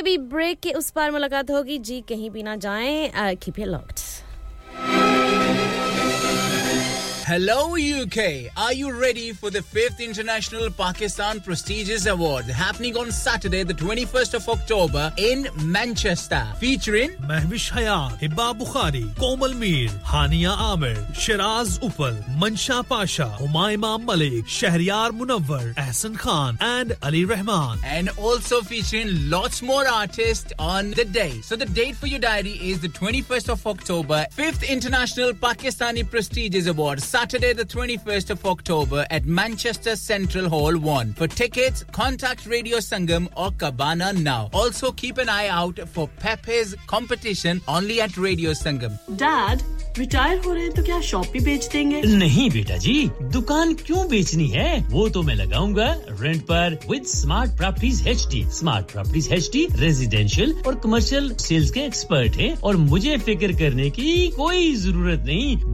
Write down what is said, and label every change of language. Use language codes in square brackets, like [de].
[hi] Break के उस पार मुलाकात होगी जी कहीं भी ना जाएं [en] keep it locked Hello UK, are you ready for the 5th International Pakistan Prestigious Award happening on Saturday the 21st of October in Manchester featuring Mehvish Hayat, Hiba Bukhari, Komal Mir, Hania Amir, Shiraz Upal, Mansha Pasha, Humaima Malik, Shahryar Munawwar, Ahsan Khan and Ali Rahman. And also featuring lots more artists on the day. So the date for your diary is the 21st of October, 5th International Pakistani Prestigious Award. Saturday the 21st of October at Manchester Central Hall 1. For tickets, contact Radio Sangam or Cabana now. Also keep an eye out for Pepe's competition only at Radio Sangam. Dad, [hi] retire हो रहे हैं तो क्या shop भी बेच देंगे? नहीं बेटा जी, दुकान क्यों बेचनी है? वो तो मैं लगाऊंगा रेंट पर with smart properties HD. Smart properties HD residential और कमर्शियल सेल्स के एक्सपर्ट हैं और मुझे फिक्र करने की कोई जरूरत नहीं।